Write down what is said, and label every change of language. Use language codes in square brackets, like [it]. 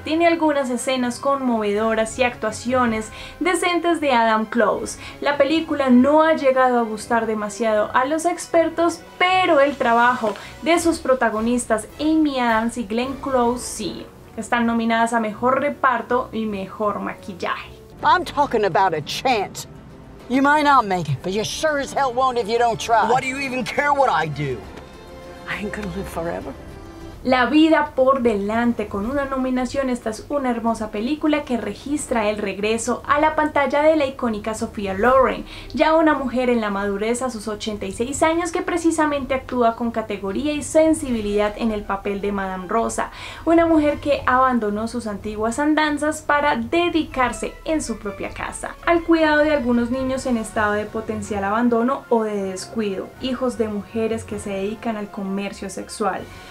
[es] Tiene algunas escenas conmovedoras y actuaciones decentes de Adam Close. La película no ha llegado a gustar demasiado a los expertos, pero el trabajo de sus protagonistas Amy Adams y Glenn Close sí. Están nominadas a mejor reparto y mejor maquillaje. [en] I'm talking about a chance. You might not make it, but you sure as hell won't if you don't try. Why do you even care what I do? I ain't gonna live forever. [es] La vida por delante, con una nominación, esta es una hermosa película que registra el regreso a la pantalla de la icónica Sophia Loren, ya una mujer en la madurez a sus 86 años que precisamente actúa con categoría y sensibilidad en el papel de Madame Rosa, una mujer que abandonó sus antiguas andanzas para dedicarse en su propia casa, al cuidado de algunos niños en estado de potencial abandono o de descuido, hijos de mujeres que se dedican al comercio sexual.